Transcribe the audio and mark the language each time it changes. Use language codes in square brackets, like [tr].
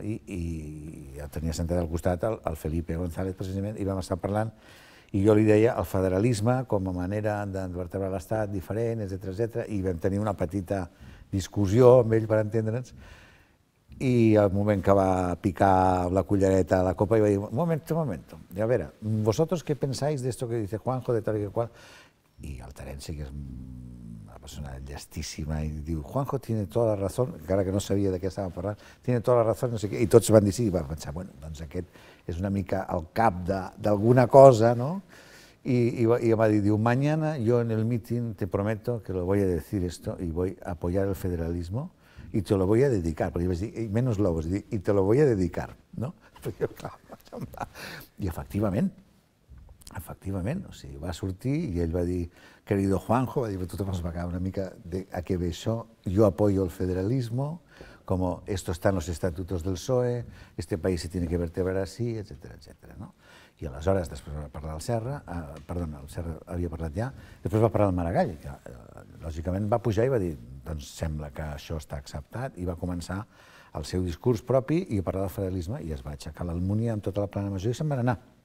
[ca] I ja tenia sentat al costat el Felipe González, precisament, i vam estar parlant, i jo li deia el federalisme com a manera d'envertebrar l'Estat diferent, etcètera, etcètera, i vam tenir una petita discussió amb ell, per entendre'ns, i el moment que va picar la cullereta a la copa, i va dir, [es] un momento, [ca] i a veure, [es] vosotros què pensáis d'esto que dice Juanjo, [ca] de tal i que qual? I el Terenci, que és una persona llestíssima, i diu, [es] Juanjo tiene toda la razón, [ca] encara que no sabia de què estava parlant, [es] tiene toda la razón, [ca] no sé què, i tots van dir sí, i van pensar, bueno, doncs aquest és una mica el cap d'alguna cosa, no? I em va dir, diu, [es] mañana yo en el meeting te prometo que lo voy a decir esto y voy a apoyar el federalismo y te lo voy a dedicar, [ca] perquè vaig dir, [es] menos lobos, y te lo voy a dedicar, no? [ca] Jo, clar, i efectivament, o sigui, va sortir i ell va dir, [es] querido Juanjo, [ca] va dir, però tothom es va acabar una mica, de, a què ve això? [es] Yo apoyo el federalismo, como esto está en los estatutos del PSOE, este país se tiene que vertebrar así, etcétera, etcétera, no? [ca] I aleshores, després va parlar el Serra, perdona, el Serra havia parlat ja, després va parlar el Maragall, que lògicament va pujar i va dir, doncs sembla que això està acceptat, i va començar el seu discurs propi i parlar del federalisme, i es va aixecar l'Almunia amb tota la plana major i se'n van anar.